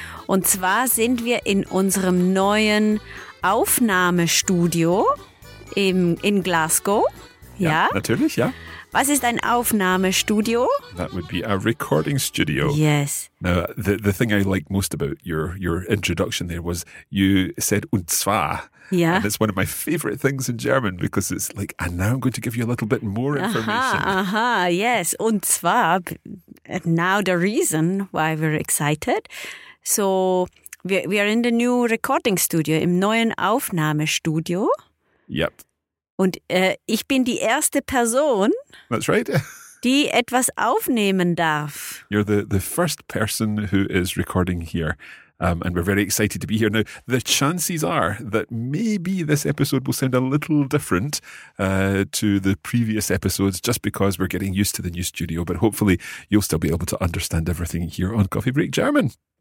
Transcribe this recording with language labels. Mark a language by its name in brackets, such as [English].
[German] Und zwar sind wir in unserem neuen Aufnahmestudio in Glasgow. Ja, natürlich, ja. Was ist ein Aufnahmestudio? [English] That would be a recording studio. Yes. Now, the thing I liked most about your introduction there was you said und zwar. Yeah. And it's one of my favorite things in German because it's like, and now I'm going to give you a little bit more information. Yes. Und zwar, now the reason why we're excited. So, we are in the new recording studio, [German] im neuen Aufnahmestudio. [English] Yep. [German] Und ich bin die erste Person, [English] that's right. [German] die etwas aufnehmen darf. [English] You're the first person who is recording here. And we're very excited to be here. Now, the chances are that maybe this episode will sound a little different to the previous episodes just because we're getting used to the new studio. But hopefully you'll still be able to understand everything here on Coffee Break German.